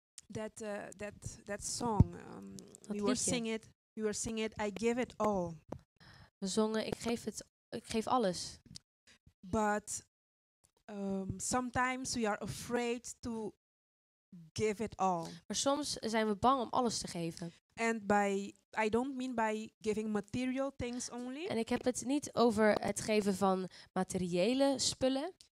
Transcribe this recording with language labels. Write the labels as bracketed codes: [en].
[en] That song, we were singing it, I give it all. [nl] We zongen, ik geef alles. [en] But sometimes we are afraid to give it all. [nl] Maar soms zijn we bang om alles te geven. [en] And by, I don't mean by giving material things only. [nl] En ik heb het niet over het geven van materiële spullen.